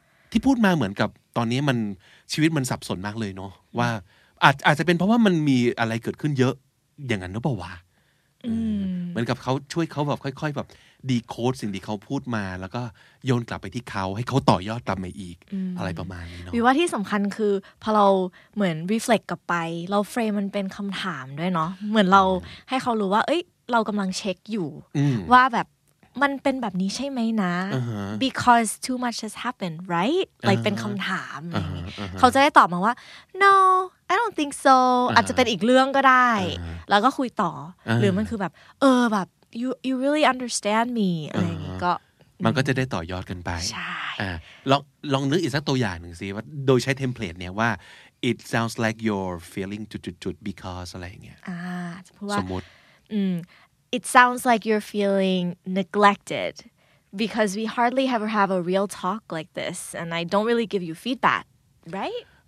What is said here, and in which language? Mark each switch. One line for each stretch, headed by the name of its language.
Thai: ที่พูดมาเหมือนกับตอนนี้มันชีวิตมันสับสนมากเลยเนาะว่าอาจจะเป็นเพราะว่ามันมีอะไรเกิดขึ้นเยอะอย่างนั้นหรือเปล่าวะเหมือนกับเขาช่วยเขาแบบค่อยๆแบบดีโคดสิ่งที่เขาพูดมาแล้วก็โยนกลับไปที่เขาให้เขาต่อยอดกลับมาอีก อะไรประมาณนี้เน า ะ วิวว่าที่สำคัญคือพอเราเหมือนรีเฟล็กกลับไปเราเฟรมมันเป็นคำถามด้วยเนาะเหมือนเราให้เขารู้ว่าเอ้ยเรากำลังเช็คอยู่ ว่าแบบมันเป็นแบบนี้ใช่ไหมนะ uh-huh.
English: because too much has happened right uh-huh. like
Thai: เป็นคำถาม uh-huh. เขาจะได้ตอบมาว่า
English: no I don't think so uh-huh. อ
Thai: าจจะเป็นอีกเรื่องก็ได้ uh-huh. แล้วก็คุยต่อ uh-huh. หรือมันคือแบบเออแบบ
English: you really understand me
Thai: uh-huh. อะไรอย่างงี้ก็มันก็จะได้ต่อยอดกันไป ใช่ลองนึกอีกสักตัวอย่างหนึ่งสิว่าโดยใช้เทมเพลตเนี่ยว่า
English: it sounds like you're feeling
Thai: จุด
English: because
Thai: อะไรอย่างเงี้ย จะพูดว่า สมมติ
English: It sounds like you're feeling neglected because we hardly ever have a real talk like this and I don't really give you feedback, right?